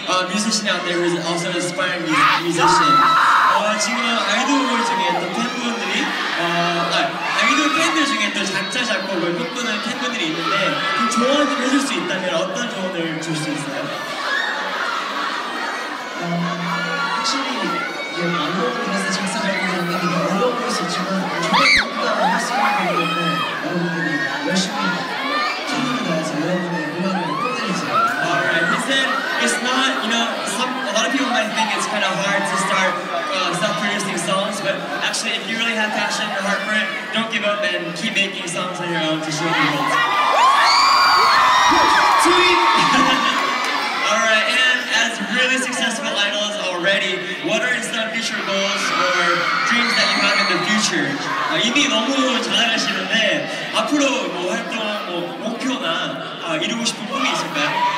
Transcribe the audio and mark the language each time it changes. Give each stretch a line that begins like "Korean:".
English: Musician out there who is also an aspiring musician.
Korean: 지금 아이돌 중에 또 팬분들이 아이돌 팬들 중에 또 작사 작곡을 꿈꾸는 팬분들이 있는데 그 조언을 해줄 수 있다면 어떤 조언을 줄 수 있어요? 확실히 이제 안무를 위해서 작사 작곡하는 게 되게 어려워 보일 수 있지만 조금 더 할 수 있는 방법은 여러분들이 열심히 최선을 다해서 여러분의 음악을 꾸며주세요.
English: Alright, he said it's not, you know, a lot of people might think it's kind of hard to start self-producing songs, but actually if you really have passion and heart for it, don't give up and keep making songs on your own to show the world. Alright, and as really successful idols already, what are some future goals or dreams that you have in the future?
Korean: 이미 너무 잘하시는데 앞으로 뭐 활동, 뭐 목표나 이루고 싶은 꿈이 있을까요?